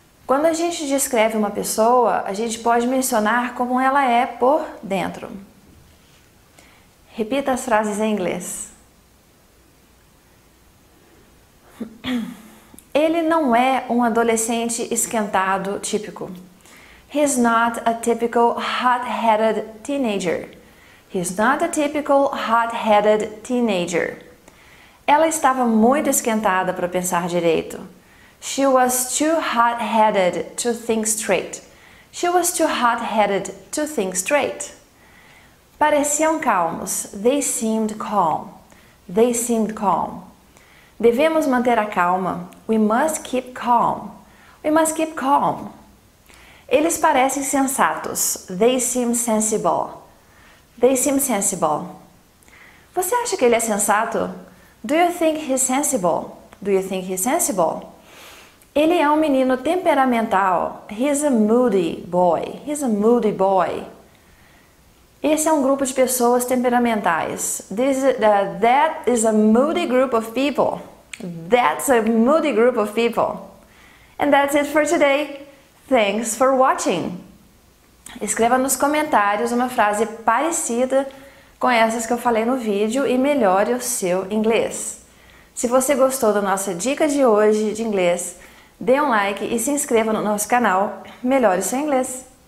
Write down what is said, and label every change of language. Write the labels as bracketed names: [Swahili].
[Portuguese] Quando a gente descreve uma pessoa, a gente pode mencionar como ela é por dentro. Repita as frases em inglês. Ele não é um adolescente esquentado típico. [English] He's not a typical hot-headed teenager. He's not a typical hot-headed teenager. [Portuguese] Ela estava muito esquentada para pensar direito. [English] She was too hot-headed to think straight. She was too hot-headed to think straight. [Portuguese] Pareciam calmos. [English] They seemed calm. They seemed calm. [Portuguese] Devemos manter a calma. [English] We must keep calm. We must keep calm. [Portuguese] Eles parecem sensatos. [English] They seem sensible. They seem sensible. [Portuguese] Você acha que ele é sensato? [English] Do you think he's sensible? Do you think he's sensible? [Portuguese] Ele é um menino temperamental. [English] He's a moody boy. He's a moody boy. [Portuguese] Esse é um grupo de pessoas temperamentais. [English] That is a moody group of people. That's a moody group of people. And that's it for today. Thanks for watching. [Portuguese] Escreva nos comentários uma frase parecida com essas que eu falei no vídeo e melhore o seu inglês. Se você gostou da nossa dica de hoje de inglês, dê um like e se inscreva no nosso canal Melhore Seu Inglês.